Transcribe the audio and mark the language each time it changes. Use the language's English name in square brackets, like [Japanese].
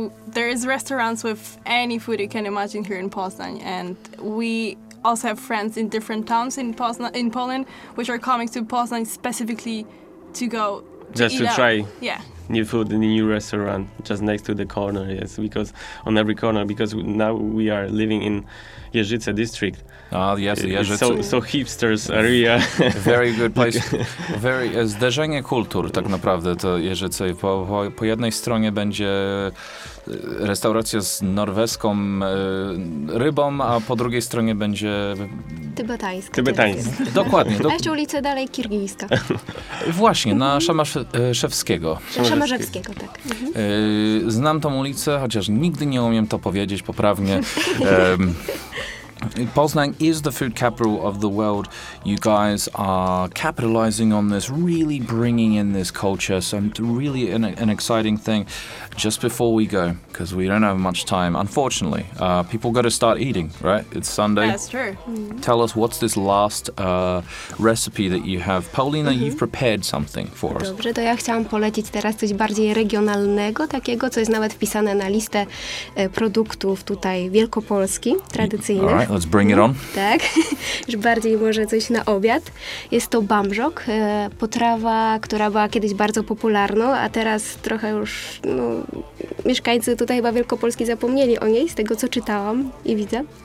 [English] There is restaurants with any food you can imagine here in Poznań, and we also have friends in different towns in Poznań, in Poland, which are coming to Poznań specifically to go to just eat to up. Try yeah. new food in a new restaurant just next to the corner. Yes, because on every corner, because now we are living in Jeżyce district. Ah, yes, Jeżyce. So hipsters area. Very good place. [Polish] Very zderzenie kultur, tak naprawdę, to Jeżyce. Po jednej stronie będzie restauracja z norweską rybą, a po drugiej stronie będzie Tybetańska. Dokładnie. A jeszcze ulica dalej kirgijska. Właśnie, na Szamaszewskiego. Szamaszewskiego, tak. Znam tą ulicę, chociaż nigdy nie umiem to powiedzieć poprawnie. [English] Poznań is the food capital of the world. You guys are capitalizing on this, really bringing in this culture. So really an exciting thing. Just before we go, because we don't have much time, unfortunately, people got to start eating, right? It's Sunday. That's true. Mm-hmm. Tell us, what's this last recipe that you have? Paulina, mm-hmm. you've prepared something for [Polish] Dobrze, [English] us. [Polish] Dobrze, to ja chciałam polecić teraz coś bardziej regionalnego takiego, co jest nawet wpisane na listę produktów tutaj Wielkopolski, tradycyjnych. [English] All right, let's bring it on. [Polish] Tak, już bardziej może coś na obiad. Jest to bamżok, potrawa, która była kiedyś bardzo popularna, a teraz trochę już, mieszkańcy tutaj chyba Wielkopolski zapomnieli o niej, z tego co czytałam i widzę.